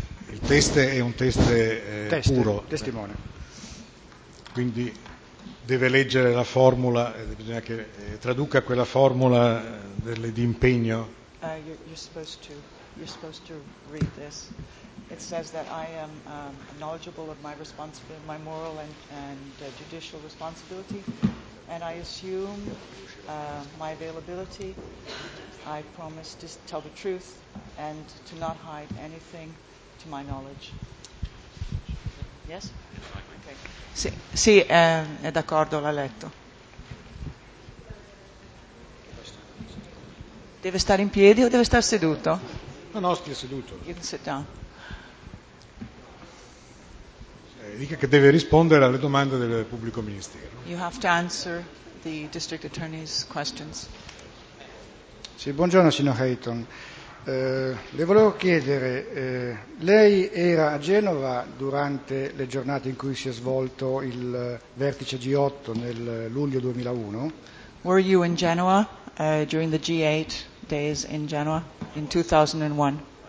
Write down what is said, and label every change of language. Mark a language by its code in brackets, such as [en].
[it] Il test è un test, test puro, testimone. Quindi deve leggere la formula, bisogna che traduca quella formula di impegno. [en] You're supposed to read this. It says that I am knowledgeable of my responsibility, my moral and judicial responsibility, and I assume my availability. I promise to tell the truth and to not hide anything. To my knowledge. Yes? [it] Okay. Sì, è d'accordo, l'ha letto. Deve stare in piedi o deve stare seduto? No, stia seduto. [en] You can sit down. [it] Dica che deve rispondere alle domande del pubblico ministero. [en] You have to answer the district attorney's questions. [it] Sì, buongiorno signor Hayton. Le volevo chiedere, lei era a Genova durante le giornate in cui si è svolto il vertice G8 nel luglio 2001? [en] Were you in Genoa during the G8 days in Genoa in 2001?